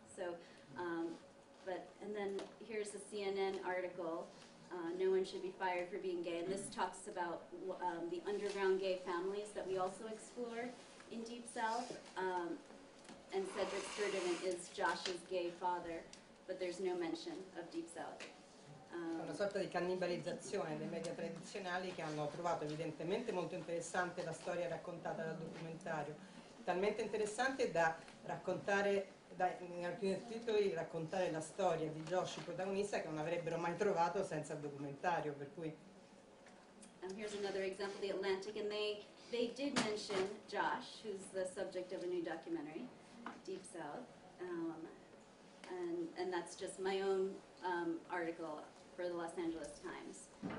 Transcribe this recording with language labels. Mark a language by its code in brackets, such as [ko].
[en] So, and then here's a CNN article. No one should be fired for being gay. And this talks about the underground gay families that we also explore in Deep South. And Cedric Sturdivant is Josh's gay father, but there's no mention of Deep South. [it] Una sorta di cannibalizzazione dei media tradizionali, che hanno trovato evidentemente molto interessante la storia raccontata dal documentario. Talmente interessante da raccontare, in alcuni titoli, raccontare la storia di Josh, il protagonista, che non avrebbero mai trovato senza il documentario, per cui... [en] Here's another example, The Atlantic, and they did mention Josh, who's the subject of a new documentary, Deep South, and that's just my own article for the Los Angeles Times.